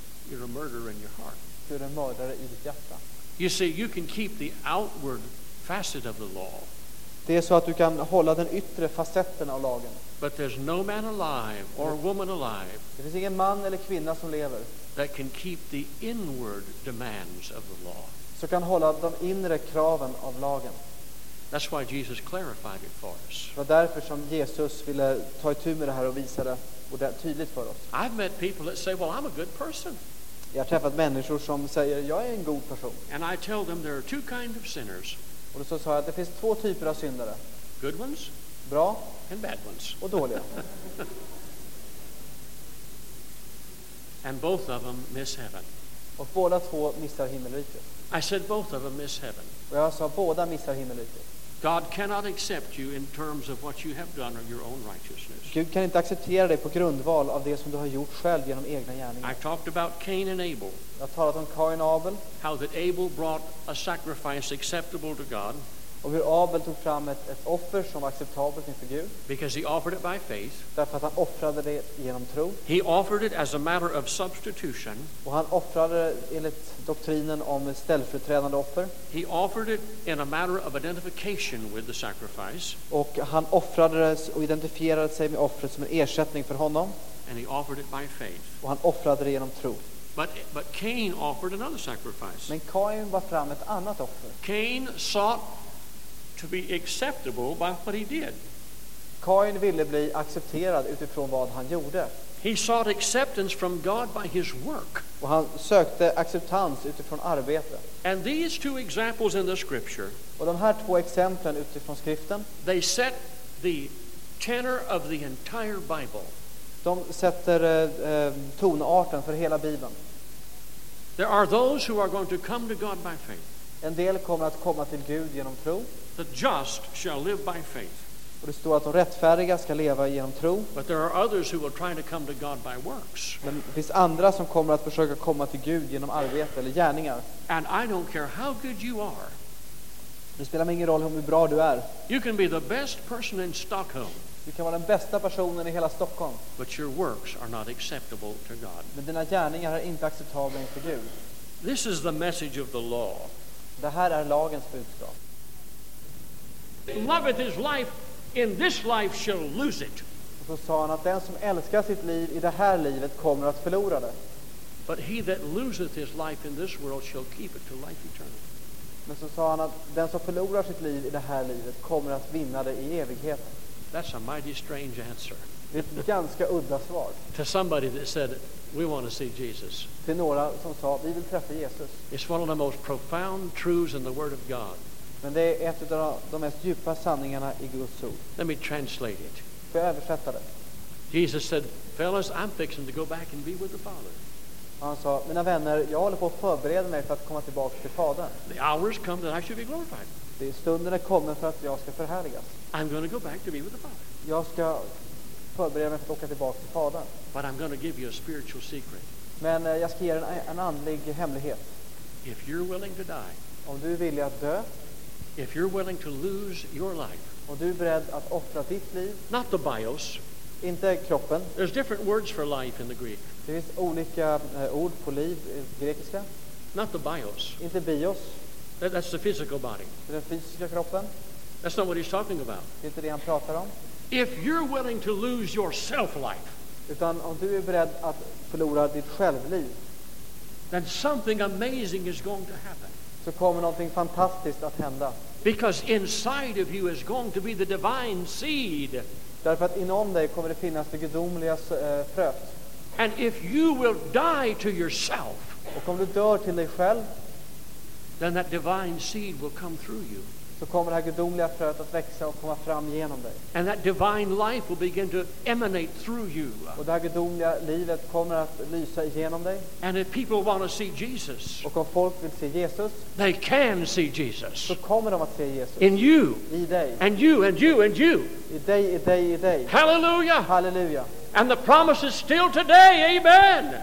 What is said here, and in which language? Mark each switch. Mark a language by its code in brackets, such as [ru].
[en] You're a murderer in your heart. [sv] Du är en mördare i ditt hjärta. [en] You see, you can keep the outward facet of the law. [sv] Det är så att du kan hålla den yttre facetten av lagen. [en] But there's no man alive or woman alive. [sv] Det finns ingen man eller kvinna som lever. [en] That can keep the inward demands of the law. [sv] Så kan hålla de inre kraven av lagen. [en] That's why Jesus clarified it for us. [sv] Det var därför som Jesus ville ta itu med det här och visa det och det tydligt för oss. [en] I've met people that say, "Well, I'm a good person." [sv] Jag har träffat människor som säger, "Jag är en god person." [en] And I tell them there are two kinds of sinners. [sv] Och då så sa jag att det finns två typer av syndare. [en] Good ones. [sv] Bra. [en] And bad ones. [sv] Och dåliga. [en] And both of them miss heaven. [sv] Och båda två missar himmelriket. [en] I said both of them miss heaven. [sv] Och jag sa båda missar himmelriket. [en] God cannot accept you in terms of what you have done or your own righteousness. [sv] Gud kan inte acceptera dig på grundval av det som du har gjort själv genom egna gärningar. [en] I talked about Cain and Abel. [sv] Jag har talat om Cain och Abel. [en] How that Abel brought a sacrifice acceptable to God. [sv] Och hur Abel tog fram ett offer som var acceptabelt inför Gud. [en] Because he offered it by faith. [sv] Därför att han offrade det genom tro. [en] He offered it as a matter of substitution. [sv] Och han offrade enligt doktrinen om ställföreträdande offer. [en] He offered it in a matter of identification with the sacrifice. [sv] Och han offrade det och identifierade sig med offret som en ersättning för honom. [en] And he offered it by faith. [sv] Och han offrade det genom tro. [en] But Cain offered another sacrifice. [sv] Men Cain var fram ett annat offer. [en] Cain sought to be acceptable by what he did. [sv] Cain ville bli accepterad utifrån vad han gjorde. [en] He sought acceptance from God by his work. [sv] Och han sökte acceptans utifrån arbete. [en] And these two examples in the scripture. [sv] Och de här två exemplen utifrån skriften. [en] They set the tenor of the entire Bible. [sv] De sätter tonarten för hela Bibeln. [en] There are those who are going to come to God by faith. [sv] En del kommer att komma till Gud genom tro. [en] The just shall live by faith. [sv] Och det står att de rättfärdiga ska leva genom tro. [en] But there are others who will try to come to God by works. [sv] Men det finns andra som kommer att försöka komma till Gud genom arbete eller gärningar. [en] And I don't care how good you are. [sv] Det spelar ingen roll hur bra du är. [en] You can be the best person in Stockholm. [sv] Du kan vara den bästa personen i hela Stockholm. [en] But your works are not acceptable to God. [sv] Men dina gärningar är inte acceptabla inför Gud. [en] This is the message of the law. [sv] Det här är lagens budskap. [en] Loveth his life in this life shall lose it. [sv] Och så sa han att den som älskar sitt liv i det här livet kommer att förlora det. [en] But he that loseth his life in this world shall keep it to life eternal. [sv] Men så sa han att den som förlorar sitt liv i det här livet kommer att vinna det i evigheten. [en] That's a mighty strange answer. [sv] Det är ett ganska udda svar. [en] To somebody that said we want to see Jesus. [sv] Till några som sa vi vill träffa Jesus. [en] It's one of the most profound truths in the word of God. [sv] Men det är ett av de mest djupa sanningarna i Guds ord. [en] Let me translate it. [sv] Får jag översätta det? [en] Jesus said, fellas, I'm fixing to go back and be with the Father. [sv] Han sa, mina vänner, jag håller på att förbereda mig för att komma tillbaka till Fadern. [en] The hours come that I should be glorified. [sv] Det är stunden är kommen för att jag ska förhärligas. [en] I'm going to go back to be with the Father. [sv] Jag ska förbereda mig för att åka tillbaka till Fadern. [en] But I'm going to give you a spiritual secret. [sv] Men jag ska ge er en andlig hemlighet. [en] If you're willing to die. [sv] Om du vill att dö. [en] If you're willing to lose your life. [sv] Om du är beredd att offra ditt liv. [en] Not the bios. [sv] Inte kroppen. [en] There's different words for life in the Greek. [sv] Det finns olika ord på liv i grekiska. [en] Not the bios. [sv] Inte bios. [en] That's the physical body. [sv] Den fysiska kroppen. [en] That's not what he's talking about. [sv] Det är inte det han pratar om. [en] If you're willing to lose your self-life. [sv] Utan om du är beredd att förlora ditt självliv. [en] Then something amazing is going to happen. [sv] Så kommer någonting fantastiskt att hända. [en] Because inside of you is going to be the divine seed. [sv] Därför att inom dig kommer det finnas det gudomliga fröet. [en] And if you will die to yourself. [sv] Och om du dör till dig själv. [en] Then that divine seed will come through you. [sv] Så kommer det här gudomliga fröet att växa och komma fram genom dig. [en] And that divine life will begin to emanate through you. [sv] Och det här gudomliga livet kommer att lysa igenom dig. [en] And if people want to see Jesus. [sv] Och om folk vill se Jesus. [en] They can see Jesus. [sv] Så kommer de att se Jesus. [en] In you. [sv] I dig. [en] And you and you and you. [sv] I dig, i dig, i dig. [en] Hallelujah. [sv] Hallelujah. [en] And the promise is still today. Amen.